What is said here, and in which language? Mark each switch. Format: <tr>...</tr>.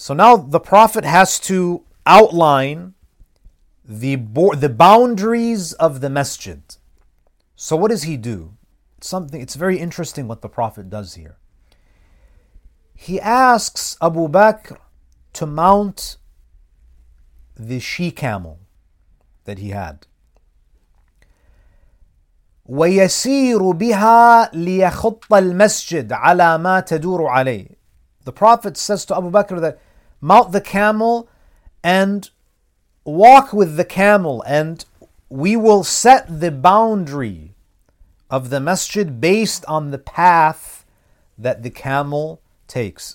<en>So now the Prophet has to outline the boundaries of the masjid. So what does he do? It's very interesting what the Prophet does here. He asks Abu Bakr to mount the she camel that he had.</en> <ar>ويسير بها ليخط المسجد على ما تدور عليه.</ar> <en>The Prophet says to Abu Bakr that mount the camel and walk with the camel, and we will set the boundary of the masjid based on the path that the camel takes.</en>